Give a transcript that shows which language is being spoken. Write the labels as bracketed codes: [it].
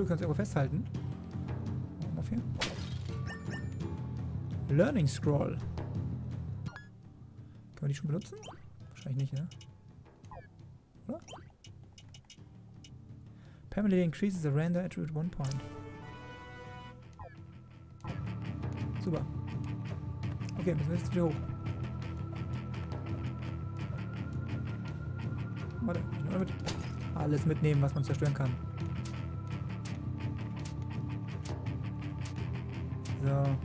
[de] Du kannst irgendwo festhalten. Machen wir hier. Learning Scroll. Können wir die schon benutzen? Wahrscheinlich nicht, ne? Oder? [en] Permanently increases the render attribute one point. [de] Super. Okay, müssen wir jetzt wieder hoch. Warte, ich nehme mit. Alles mitnehmen, was man zerstören kann. So.